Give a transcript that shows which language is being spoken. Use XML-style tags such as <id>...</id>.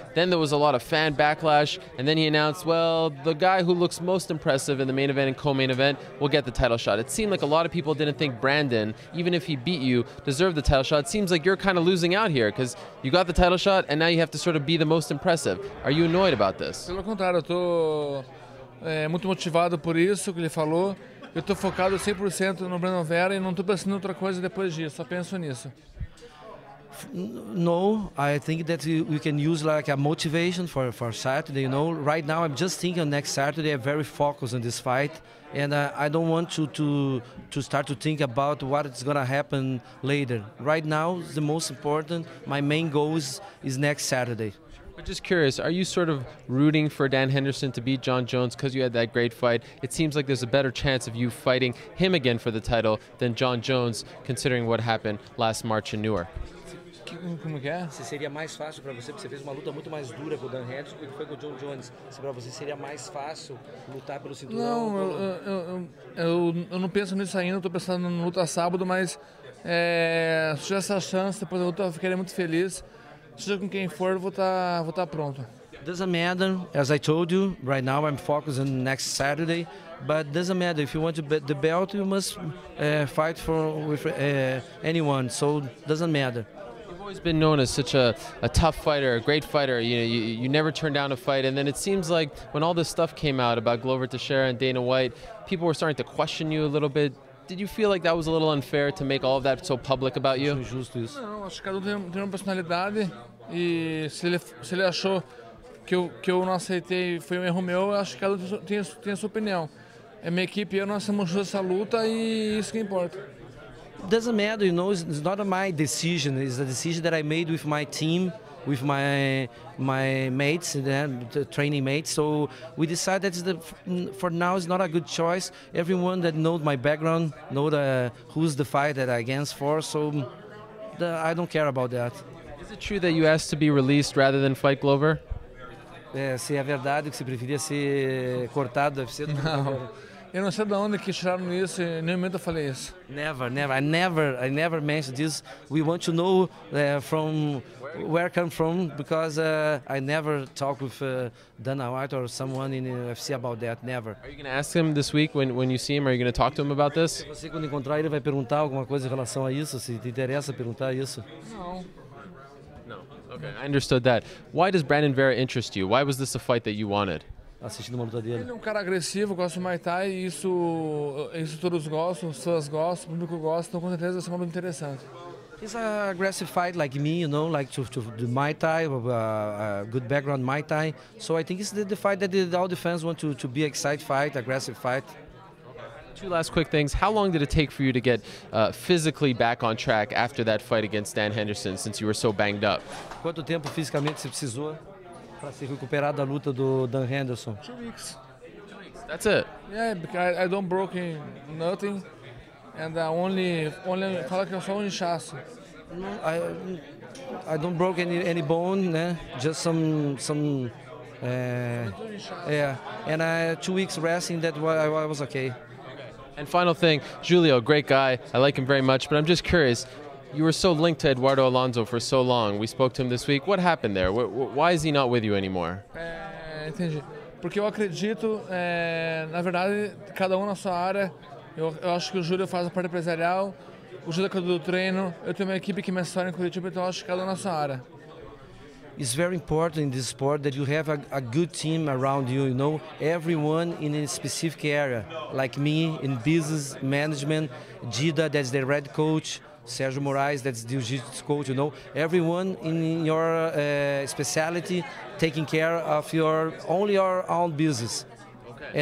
<en>Then there was a lot of fan backlash, and then he announced, well, the guy who looks most impressive in the main event and co-main event will get the title shot. It seemed like a lot of people didn't think Brandon, even if he beat you, deserved the title shot. It seems like you're kind of losing out here, because you got the title shot, and now you have to sort of be the most impressive. Are you annoyed about this?</en> <pt>Pelo contrário, eu tô muito motivado por isso que ele falou. Eu tô focado 100% no Brandon Vera e não tô pensando em outra coisa depois disso. Só penso nisso.</pt> <en>No, I think that we can use like a motivation for Saturday, you know. Right now I'm just thinking next Saturday, I'm very focused on this fight and I don't want to start to think about what is going to happen later. Right now the most important, my main goal is next Saturday. I'm just curious, are you sort of rooting for Dan Henderson to beat John Jones because you had that great fight? It seems like there's a better chance of you fighting him again for the title than John Jones, considering what happened last March in Newark.</en> <pt>Como que é? Se seria mais fácil para você, porque você fez uma luta muito mais dura com o Dan Henderson do que foi com o John Jones. Se para você seria mais fácil lutar pelo cinturão? Não, eu não penso nisso ainda, estou pensando na luta sábado, mas se tiver essa chance, depois da luta eu ficaria muito feliz.</pt> <en>Doesn't matter, as I told you, right now I'm focused on next Saturday, but doesn't matter, if you want to bet the belt, you must fight for with anyone, so doesn't matter. You've always been known as such a tough fighter, a great fighter, you know, you never turned down a fight, and then it seems like when all this stuff came out about Glover Teixeira and Dana White, people were starting to question you a little bit. Did you feel like that was a little unfair to make all of that so public about you?</en> <pt>Não, acho que cada um tem uma personalidade e se ele achou que eu não aceitei foi um erro meu, acho que cada um tem a sua opinião. É minha equipe, eu nós somos juntos essa luta e isso que importa.</pt> <en>Doesn't matter, you know, it's not my decision. It's a decision that I made with my team, with my mates, the training mates. So we decided that for now it's not a good choice. Everyone that knows my background know who's the fight that I'm against for. So I don't care about that. Is it true that you asked to be released rather than fight Glover?</en> <pt>Se é verdade que você preferia ser cortado do UFC? Não. Eu não sei de onde que tiraram isso, em nenhum momento eu falei isso.</pt> <en>Never. I never mentioned this. We want to know from where I come from, because I never talk with Dana White or someone in the UFC about that, never. Are you going to ask him this week when you see him? Are you going to talk to him about this?</en> <pt>Você, quando encontrar ele, vai perguntar alguma coisa em relação a isso? Se te interessa perguntar isso? Não.</pt> <en>Okay, I understood that. Why does Brandon Vera interest you? Why was this a fight that you wanted?</en> <pt>Assistindo uma luta dele. Ele é cara agressivo, gosta do Muay Thai, e isso todos gostam, os fãs gostam, o público gosta, então com certeza vai ser uma luta interessante.</pt> <en>He's an aggressive fight like me, you know, like to do Muay Thai, a good background Muay Thai. So I think it's the fight that all the fans want to be excited fight, aggressive fight. Two last quick things. How long did it take for you to get physically back on track after that fight against Dan Henderson, since you were so banged up?</en> <pt>Quanto tempo fisicamente você precisou para se recuperar da luta do Dan Henderson?</pt> <en>2 weeks. 2 weeks. That's it. Yeah, because I don't broken nothing, and only</en> <pt>fala que eu sou inchaço.</pt> <en>I don't broke any bone, né? Just some. Yeah, and 2 weeks resting. That I was okay. And final thing, Julio, great guy. I like him very much, but I'm just curious. You were so linked to Eduardo Alonso for so long. We spoke to him this week. What happened there? Why is he not with you anymore?</en> <pt>Entendi. Porque eu acredito, na verdade, cada na sua área. Eu acho que o Júlio faz a parte empresarial, o Júlio é do treino, eu tenho uma equipe que me assessora em Curitiba, então eu acho que cada na sua área.</pt> <en>It's very important in this sport that you have a good team around you, you know, everyone in a specific area, like me in business management, Gida, that's the red coach. Sergio Moraes, that's the jiu-jitsu coach, you know. Everyone in your specialty taking care of your own business. Okay.</en>